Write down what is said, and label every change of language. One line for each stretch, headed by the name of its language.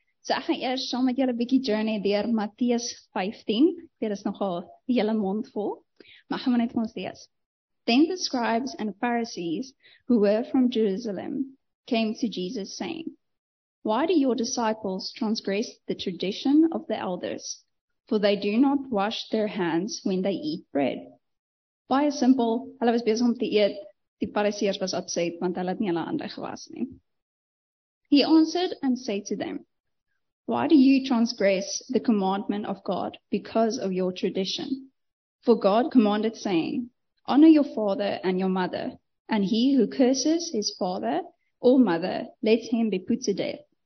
Afrikaans: So ek gaan eers saam met julle 'n bietjie journey deur Matteus 15. Dit is nogal die hele mond vol. Maar gaan maar net vir ons lees.
English: Then the scribes and Pharisees, who were from Jerusalem, came to Jesus saying, "Why do your disciples transgress the tradition of the elders? For they do not wash their hands when they eat bread."
Afrikaans: Baie simpel, hulle was besig om te eet. Die Fariseërs was upset, want hulle het nie hulle hande gewas nie. He answered and said to them, "Why do you transgress the commandment of God because of your tradition? For God commanded, saying, 'Honor your father and your mother, and he who curses his father or mother, let him be put to death.'